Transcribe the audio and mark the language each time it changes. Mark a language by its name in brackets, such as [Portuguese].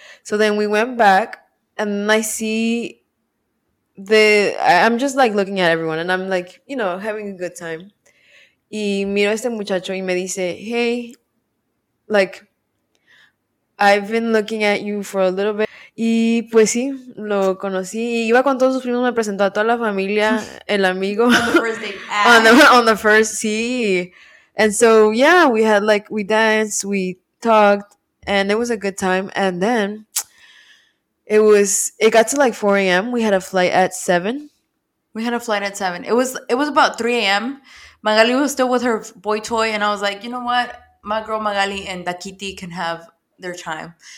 [English] So then we went back and I see I'm just like looking at everyone and I'm like, you know, having a good time. [Spanish] Y miro a este muchacho y me dice, [English] hey, like, I've been looking at you for a little bit. [Spanish] Y pues sí, lo conocí. Iba con todos sus primos, me presentó a toda la familia, el amigo. [English] On the first day. [Spanish] Sí. [English] And so, yeah, we had like, we danced, we talked, and it was a good time. And then it got to like 4 a.m. We had a flight at 7. It was about 3 a.m. Magali was still with her boy toy, and I was like, you know what? My girl Magali and Dakiti can have their time.